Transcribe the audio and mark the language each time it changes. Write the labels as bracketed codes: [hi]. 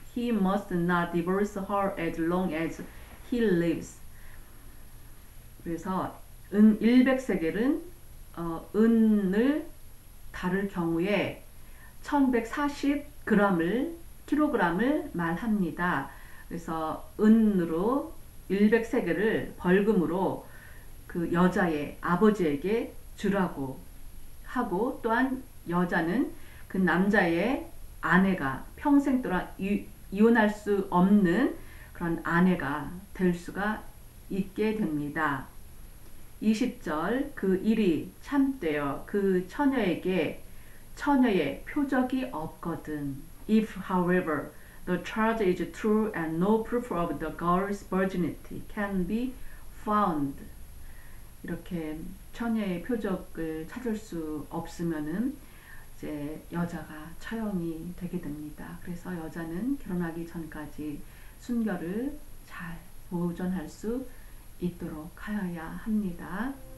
[en] He must not divorce her as long as he lives. [ko] 그래서 은 100세겔은 은을 다룰 경우에 1140kg을 말합니다. 그래서 은으로 100세겔을 벌금으로 그 여자의 아버지에게 주라고 하고 또한 여자는 그 남자의 아내가 평생 동안 이혼할 수 없는 그런 아내가 될 수가 있게 됩니다. 20절 그 일이 참되어 그 처녀에게 처녀의 표적이 없거든. [en] If, however, the charge is true and no proof of the girl's virginity can be found. [ko] 이렇게 처녀의 표적을 찾을 수 없으면은 이제 여자가 처형이 되게 됩니다. 그래서 여자는 결혼하기 전까지 순결을 잘 보존할 수 있도록 하여야 합니다.